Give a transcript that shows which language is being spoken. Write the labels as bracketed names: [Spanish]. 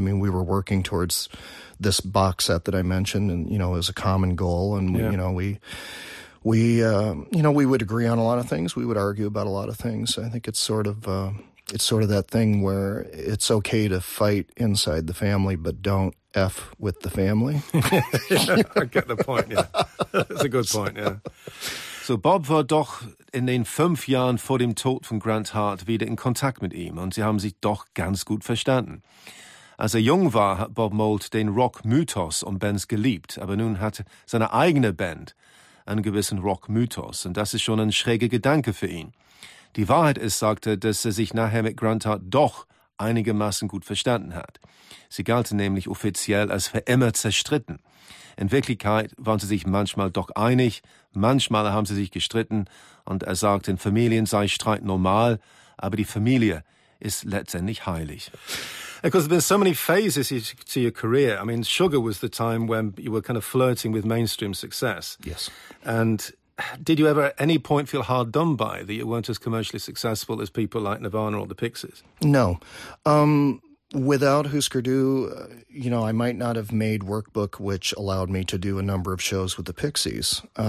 [English] I mean, we were working towards this box set that I mentioned, and, it was a common goal. And, we would agree on a lot of things. We would argue about a lot of things. I think it's sort of that thing where it's okay to fight inside the family, but don't F with the family. I get the point, yeah. That's a good point, yeah. [German] So Bob war doch in den fünf Jahren vor dem Tod von Grant Hart wieder in Kontakt mit ihm, und sie haben sich doch ganz gut verstanden. Als jung war, hat Bob Mould den Rock-Mythos um Bands geliebt, aber nun hat seine eigene Band einen gewissen Rock-Mythos, und das ist schon ein schräger Gedanke für ihn. Die Wahrheit ist, sagte, dass er sich nachher mit Grant Hart doch einigermaßen gut verstanden hat. Sie galten nämlich offiziell als für immer zerstritten. In Wirklichkeit waren sie sich manchmal doch einig, manchmal haben sie sich gestritten, und er sagt, in Familien sei Streit normal, aber die Familie ist letztendlich heilig. [English] Because there's been so many phases to your career. I mean, Sugar was the time when you were kind of flirting with mainstream success. Yes. And did you ever at any point feel hard done by that you weren't as commercially successful as people like Nirvana or the Pixies? No. Without Husker Du, I might not have made Workbook, which allowed me to do a number of shows with the Pixies.